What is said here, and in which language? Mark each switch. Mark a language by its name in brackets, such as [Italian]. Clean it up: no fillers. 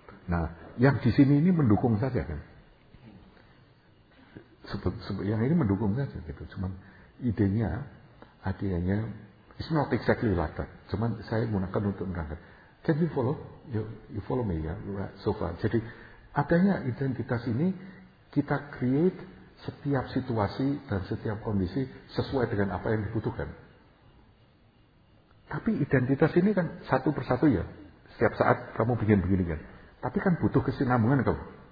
[Indonesian] Nah, yang di sini ini mendukung saja kan. Yang ini mendukung saja gitu. Cuman idenya, adanya, [English] it's not exactly like that. [Indonesian] Cuman saya gunakan untuk menerangkan. [English] Can you follow? You follow me ya, right, so far. [Indonesian] Jadi adanya identitas ini kita create setiap situasi dan setiap kondisi sesuai dengan apa yang dibutuhkan. Tapi identitas ini kan satu persatu ya. Setiap saat kamu bikin begini kan. Tapi kan butuh kesinambungan kamu.